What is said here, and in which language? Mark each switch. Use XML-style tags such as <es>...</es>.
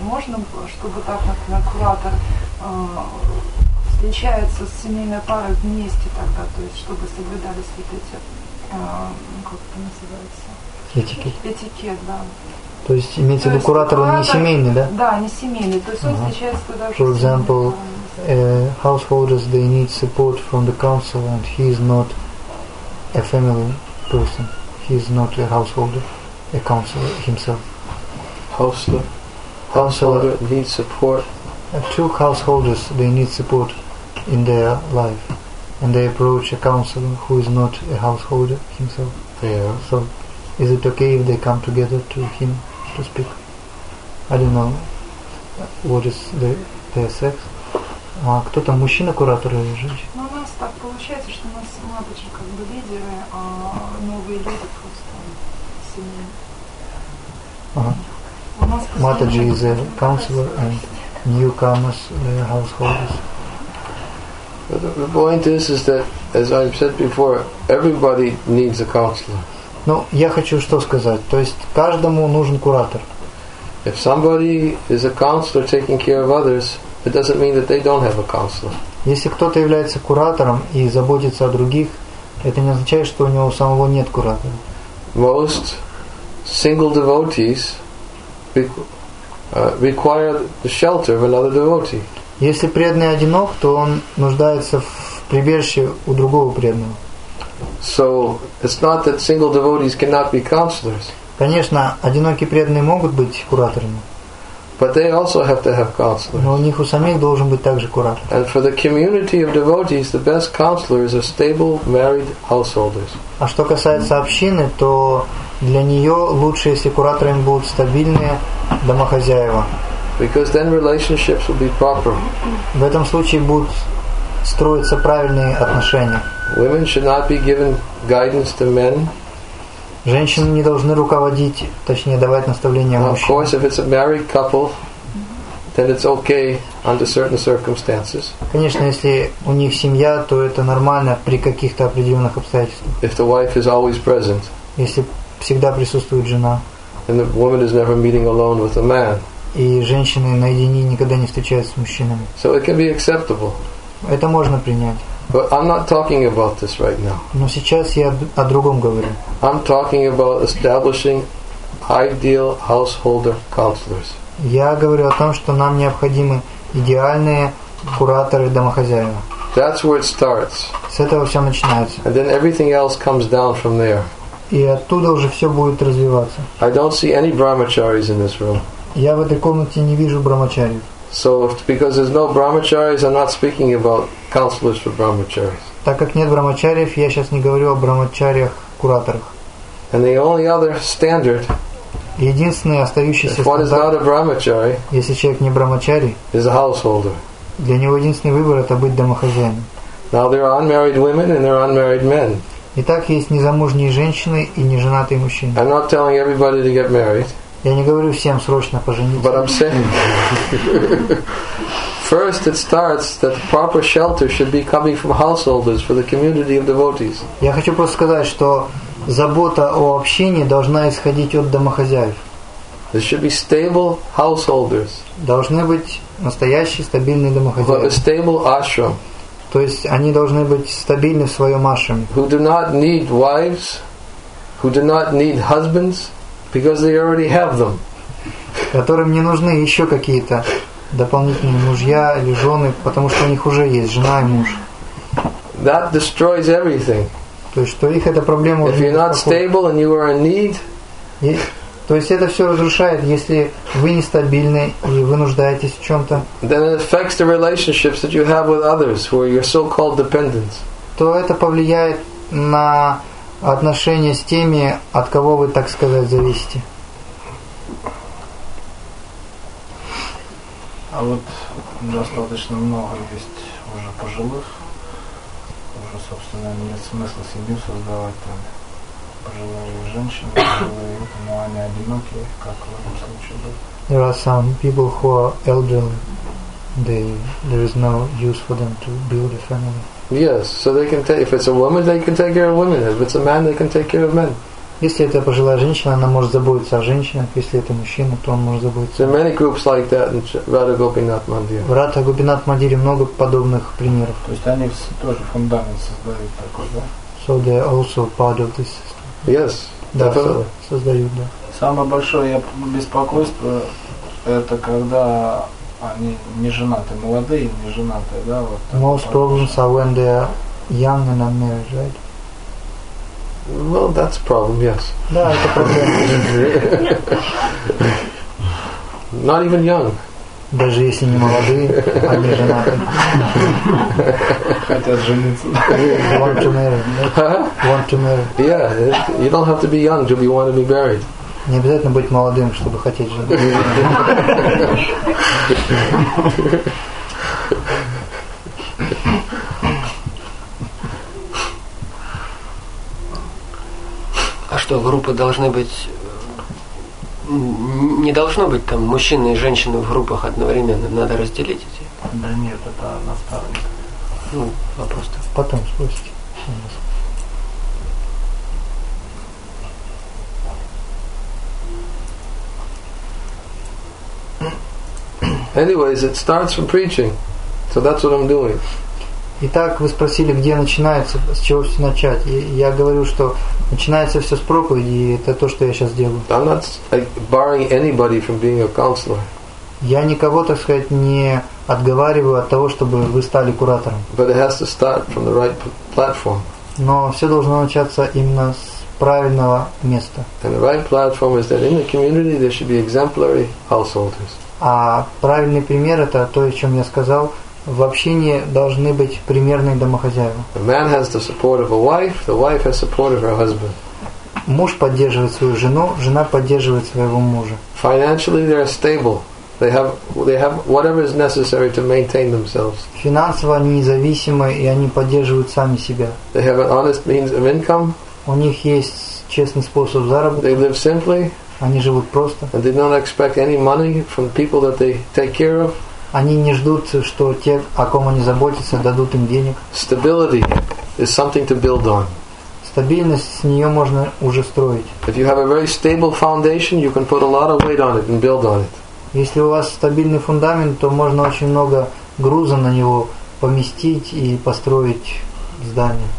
<ru>Можно, чтобы так, например, куратор встречается с семейной парой вместе тогда, то есть чтобы соблюдались вот эти, как это называется? Этикет, да. То есть имеется в виду куратор, он не семейный, да? Да, не семейный. То есть он встречается туда же.</ru> <en>For example, householders, they need support from the council and he is not a family. Person. He is not a householder, a counselor himself. Householder needs support. Two householders, they need support in their life. And they approach a counselor who is not a householder himself. Yeah. So is it okay if they come together to him to speak? I don't know what is their sex.</en> <ru>А кто там, мужчина, куратор или женщина? Ну, у нас так получается, что у нас матушки как бы лидеры, а новые люди просто семьи.</ru> <en>Матаджи is a counselor and newcomers, householders. The point is that, as I've said before, everybody needs a counselor.</en> <ru>Ну, я хочу что сказать. То есть каждому нужен куратор.</ru> <en>If somebody is a counselor taking care of others, it doesn't mean that they don't have a counselor.</en> <ru>Если кто-то является куратором и заботится о других, это не означает, что у него самого нет куратора.</ru> <en>Most single devotees require the shelter of another devotee.</en> <ru>Если преданный одинок, то он нуждается в прибежище у другого преданного.</ru> <en>So it's not that single devotees cannot be counselors.</en> <ru>Конечно, одинокие преданные могут быть кураторами.</ru> <en>But they also have to have counselors.</en> <ru>Но у них у самих должен быть также куратор.</ru> <en>And for the community of devotees, the best counselors are stable, married householders.</en> <ru>А что касается общины, то для нее лучше, если кураторами будут стабильные домохозяева.</ru> <en>Because then relationships will be proper.</en> <ru>В этом случае будут строиться правильные отношения.</ru> <en>Women should not be given guidance to men.</en> <ru>Женщины не должны руководить, точнее, давать наставления мужчинам.</ru> <en>Of course, if it's a married couple, then it's okay under certain circumstances.</en> <ru>Конечно, если у них семья, то это нормально при каких-то определенных обстоятельствах.</ru> <en>If the wife is always present.</en> <ru>Если всегда присутствует жена.</ru> <en>And the woman is never meeting alone with a man.</en> <ru>И женщины наедине никогда не встречаются с мужчинами.</ru> <en>So it can be acceptable.</en> <ru>Это можно принять.</ru> <en>But I'm not talking about this right now.</en> <ru>Но сейчас я о другом говорю.</ru> <en>I'm talking about establishing ideal householder counselors.</en> <ru>Я говорю о том, что нам необходимы идеальные кураторы домохозяева.</ru> <en>That's where it starts.</en> <ru>С этого все начинается.</ru> <en>And then everything else comes down from there.</en> <ru>И оттуда уже все будет развиваться.</ru> <en>I don't see any brahmacharis in this room.</en> <ru>Я в этой комнате не вижу брахмачари.</ru> <en>So, because there's no brahmacharis, I'm not speaking about counselors for brahmacharis.</en> <ru>Так как нет брахмачариев, я сейчас не говорю о брахмачариях-кураторах.</ru> <en>And the only other standard.</en> <ru>Единственный остающийся стандарт.</ru> <en>If one is not a brahmachari.</en> <ru>Если человек не брахмачари.</ru> <en>Is a householder.</en> <ru>Для него единственный выбор — это быть домохозяином.</ru> <en>Now there are unmarried women and there are unmarried men.</en> <ru>Итак, есть незамужние женщины и неженатые мужчины.</ru> <en>I'm not telling everybody to get married.</en> <ru>Я не говорю всем срочно пожениться.</ru> <en>But I'm saying, first it starts that proper shelter should be coming from householders for the community of devotees.</en> <ru>Я хочу просто сказать, что забота о общине должна исходить от домохозяев.</ru> <en>There should be stable householders.</en> <ru>Должны быть настоящие стабильные домохозяева.</ru> <en>A stable ashram.</en> <ru>То есть они должны быть стабильны в своем ашраме.</ru> <en>Who do not need wives. who do not need husbands because they already have them.</en> <ru>Которым не нужны еще какие-то дополнительные мужья или жены, потому что у них уже есть жена и муж.</ru> <en>That destroys everything.</en> <ru>То есть, что их эта проблема.</ru> <en>If you're not stable and you are in need.</en> <ru>То есть это все разрушает, если вы нестабильны и вы нуждаетесь в чем-то.</ru> <en>Then it affects the relationships that you have with others, who are your so-called dependents.</en> <ru>То это повлияет на отношения с теми, от кого вы, так сказать, зависите. А вот достаточно много есть уже пожилых, уже, собственно, нет смысла семью создавать там.</ru> <en>There are some people who are elderly. There is no use for them to build a family. Yes, so they can take. If it's a woman, they can take care of women. If it's a man, they can take care of men.</en> <ru>Если это пожилая женщина, она может заботиться о женщинах. Если это мужчина, то он может заботиться.</ru> <en>There are many groups like that in Radha Gopinath Mandir.</en> <ru>В Радха Гопинат Мандире много подобных примеров. То есть они тоже фундамент создают</ru> <en>So they are also part of this. Yes.</en> <ru>Да, создают, да. Самое большое беспокойство это когда они не женаты, молодые, не женаты, да, вот.</ru> <en>Most problems are when they are young and unmarried, right? Well, that's a problem, yes.</en> <ru>Да, это проблема.</ru> <en>Not even young.</en> <ru>Даже если не молодые, а не женаты. Хотят жениться.</ru> <en>Want to marry. Huh? Want to marry. Yeah, you don't have to be young to be want to be married.</en> <ru>Не обязательно быть молодым, чтобы хотеть жениться. А что, группы должны быть... Не должно быть там мужчины и женщины в группах одновременно, надо разделить эти. Да нет, это наставник. Ну, вопрос-то. Потом спросите.</ru> <en>Anyways, it starts from preaching. So that's what I'm doing.</en> <ru>Итак, вы спросили, где начинается, с чего все начать. И я говорю, что начинается все с проповеди, и это то, что я сейчас делаю.</ru> <en>I'm not barring anybody from being a counselor.</en> <ru>Я никого, так сказать, не отговариваю от того, чтобы вы стали куратором.</ru> <en>But it has to start from the right platform.</en> <ru>Но все должно начаться именно с правильного места.</ru> <en>And the right platform is that in the community there should be exemplary householders.</en> <ru>А правильный пример – это то, о чем я сказал. В общине должны быть примерные домохозяева. Муж поддерживает свою жену, жена поддерживает своего мужа. Финансово они независимы, и они поддерживают сами себя.</ru> <en>They have an honest means of income.</en> <ru>У них есть честный способ заработка.</ru> <en>They live simply.</en> <ru>Они живут просто.</ru> <en>And they don't expect any money from people that they take care of.</en> <ru>Они не ждут, что те, о ком они заботятся, дадут им денег.</ru> <en>Stability is something to build on.</en> <ru>Стабильность, с нее можно уже строить.</ru> <en>If you have a very stable foundation, you can put a lot of weight on it and build on it.</en> <ru>Если у вас стабильный фундамент, то можно очень много груза на него поместить и построить здание.</ru>